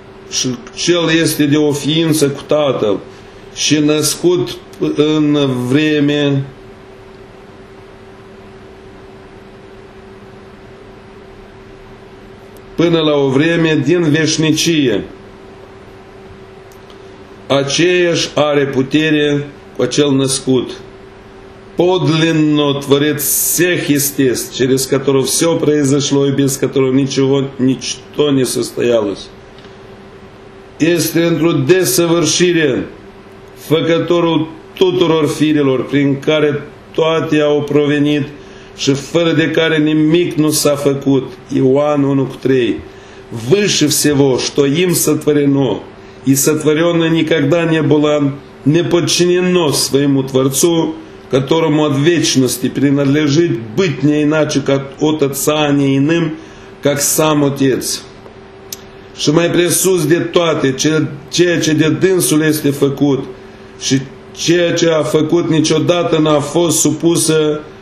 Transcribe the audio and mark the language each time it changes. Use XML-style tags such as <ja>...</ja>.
<ro>Și cel este de o ființă cu Tatăl și născut în vreme până la o vreme din veșnicie. Aceeași are putere cu acel născut.</ro> <ru>Подлинно творит всех естеств, через которого все произошло и без которого ничего, ничто не состоялось.</ru> <ro>Este într-o desăvârșire făcătorul tuturor firilor prin care toate au provenit și fără de care nimic nu s-a făcut. Ioan 1:3.</ro> <ru>Выше всего, что им сотворено, и сотворенное никогда не было не подчинено своему Творцу, которому от вечности принадлежит быть не иначе, как от Отца, а не иным, как сам Отец.</ru> <ro>Și mai presus de toate, ceea ce de dânsul este făcut și ceea ce a făcut niciodată n-a fost supusă</ro>